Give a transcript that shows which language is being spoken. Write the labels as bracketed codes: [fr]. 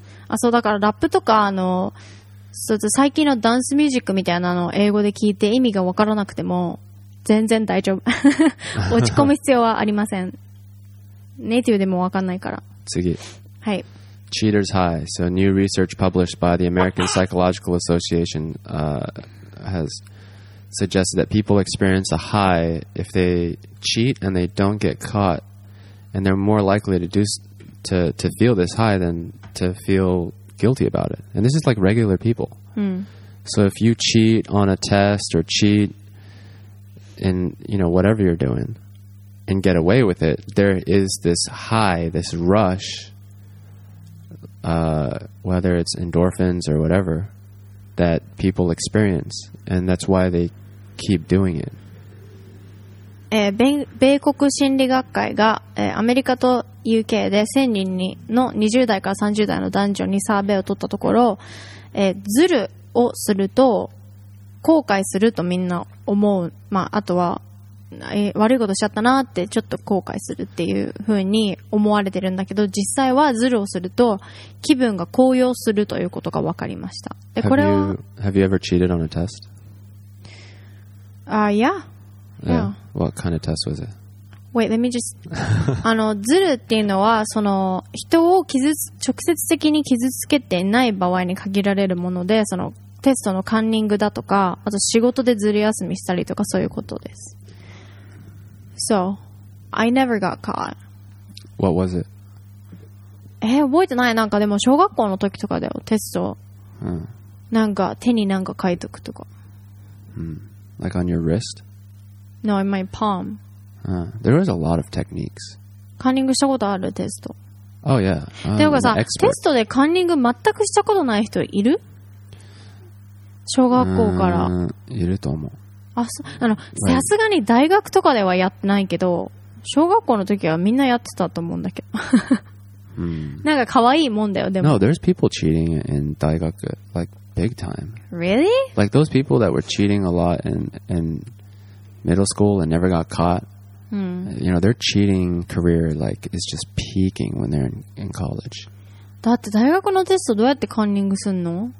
[ja] あ、そうだからラップとかあの、そう最近のダンスミュージックみたいなのを英語で聞いて意味が分からなくても全然大丈夫。落ち込む必要はありません。ネイティブでも分かんないから。次。はい。 [en] Cheaters High. So new research published by the American Psychological Association has... suggested that people experience a high if they cheat and they don't get caught and they're more likely to feel this high than to feel guilty about it. And this is like regular people. So if you cheat on a test or cheat in, you know, whatever you're doing and get away with it, there is this high, this rush, whether it's endorphins or whatever, that people experience, and that's why they keep doing it. [ja] 米国心理学会が、アメリカと UK で1000人にの20代から30代の男女にサーベイを取ったところ、ズルをすると後悔するとみんな思う、まあ、あとは、悪いことしちゃったなってちょっと後悔するっていう風に思われてるんだけど、実際はズルをすると気分が高揚するということが分かりました。でこれは [en] Have you ever cheated on a test? Yeah. What kind of test was it? Wait, let me just. [ja] あのズルっていうのはその人を傷つ直接的に傷つけてない場合に限られるもので、そのテストのカンニングだとか、あと仕事でズル休みしたりとかそういうことです。 [en] So, I never got caught. What was it? [ja] 覚えてない。なんかでも小学校の時とかだよ、テスト。なんか手になんか書いとくとか。 [en] Like on your wrist? No, in my palm. There was a lot of techniques. [ja] カンニングしたことあるテスト。 [en] Oh, yeah. [ja] でもさ、テストでカンニング全くしたことない人いる？小学校から。いると思う。あ、そう、あの、さすがに大学とかではやってないけど、小学校の時はみんなやってたと思うんだけど。なんか可愛いもんだよ、でも。 [en] No, there's people cheating in 大学 like big time. Really? Like those people that were cheating a lot and... middle school and never got caught、you know their cheating career like is just peaking when they're in college [ja] だって大学のテストどうやってカンニングすんの？